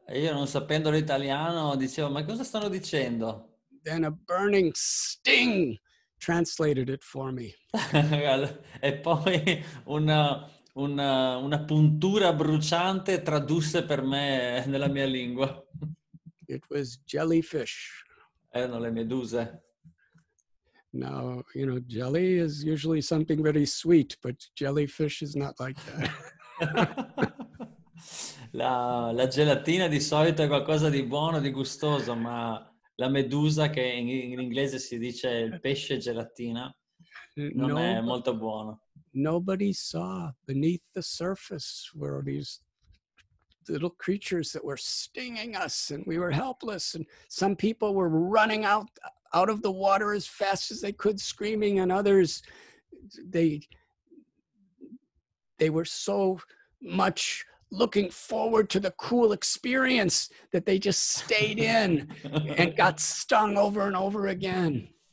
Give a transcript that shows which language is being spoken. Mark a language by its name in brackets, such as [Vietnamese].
[Italian] E io, non sapendo l'italiano, dicevo, ma cosa stanno dicendo? [English] Then a burning sting translated it for me. [Italian] E poi una puntura bruciante tradusse per me nella mia lingua. [English] It was jellyfish. [Italian] Erano le meduse. [English] Now, you know, jelly is usually something very sweet, but jellyfish is not like that. [Italian] La gelatina di solito è qualcosa di buono, di gustoso, ma la medusa, che in inglese si dice il pesce gelatina, non è molto buono. [English] Nobody saw beneath the surface where these little creatures that were stinging us, and we were helpless, and some people were running out of the water as fast as they could, screaming, and others, they were so much looking forward to the cool experience that they just stayed in and got stung over and over again.